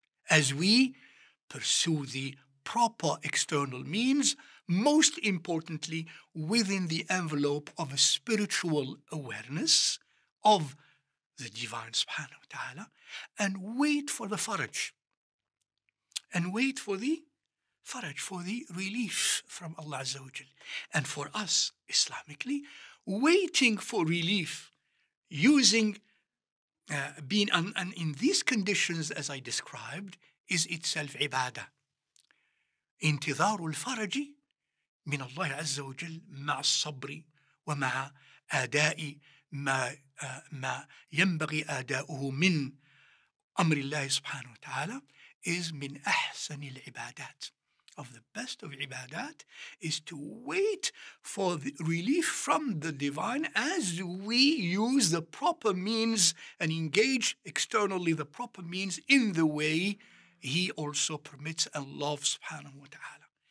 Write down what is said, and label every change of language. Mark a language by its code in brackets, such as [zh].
[en] as we pursue the proper external means, most importantly, within the envelope of a spiritual awareness of the Divine subhanahu wa ta'ala, and wait for the faraj, and wait for the faraj, for the relief from Allah Azza wa Jal. And for us, Islamically, waiting for relief, using being and in these conditions as I described, is itself ibadah. [ar] انتظار الفرج من الله عز وجل مع الصبر ومع أداء ما ينبغي أداؤه من أمر الله سبحانه وتعالى is من أحسن العبادات. [en] Of the best of ibadat is to wait for the relief from the divine as we use the proper means and engage externally the proper means in the way He also permits and loves subhanahu wa ta'ala.